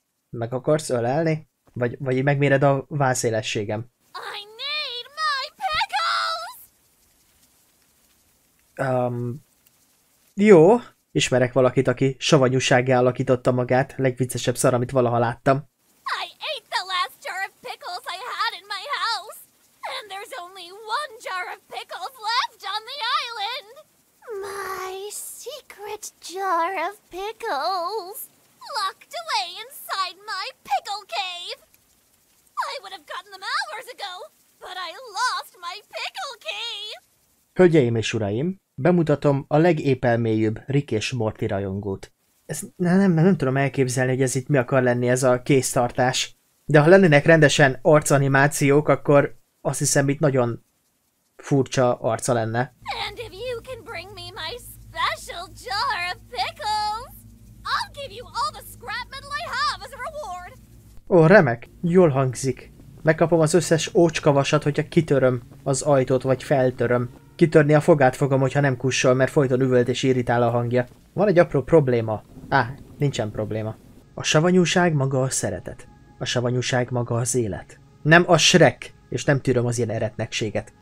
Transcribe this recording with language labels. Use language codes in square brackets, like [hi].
[hu] Meg akarsz ölelni? Vagy megméred a vászélességem? [en] I need my pickles! [hu] Jó, ismerek valakit, aki savanyúsággá alakította magát, legviccesebb szar, amit valaha láttam. [en] I ate the last jar of pickles I had in my house! And there's only one jar of pickles left on the island! My secret jar of pickles! Locked away inside my pickle cave! I would have gotten them hours ago, but I lost my pickle cave! [hu] Hölgyeim és uraim! Bemutatom a legépelméjűbb Rick és Morty rajongót. Nem tudom elképzelni, hogy ez itt mi akar lenni ez a kéztartás. De ha lennének rendesen arcanimációk, akkor azt hiszem itt nagyon furcsa arca lenne. [en] And if you can bring me my special jar of pickles, I'll give you all the scrap metal I have as a reward. [hu] Ó, remek, jól hangzik. Megkapom az összes ócskavasat, hogyha kitöröm az ajtót, vagy feltöröm. Kitörni a fogát fogom, hogyha nem kussol, mert folyton üvölt és irritál a hangja. Van egy apró probléma. Nincsen probléma. A savanyúság maga a szeretet. A savanyúság maga az élet. Nem a Shrek, és nem tűröm az ilyen eretnekséget.